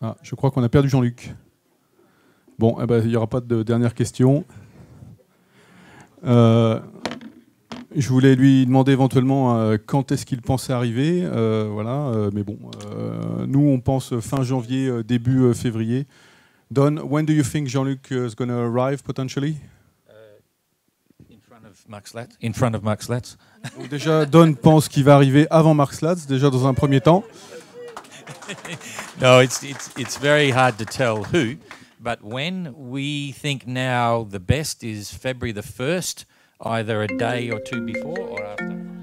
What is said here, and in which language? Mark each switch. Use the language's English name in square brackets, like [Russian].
[French] Ah, je crois qu'on a perdu Jean-Luc. Bon, eh ben, il n'y aura pas de dernière question. Je voulais lui demander éventuellement quand est-ce qu'il pensait arriver. Mais bon, nous, on pense fin janvier, début février. [English] Don, when do you think Jean-Luc is going to arrive, potentially? In front of Max Letts. [French] Donc, déjà, Don pense qu'il va arriver avant Max Letts, déjà dans un premier temps. [English] No, it's very hard to tell who, but when we think now the best is February the 1st, either a day or two before or after.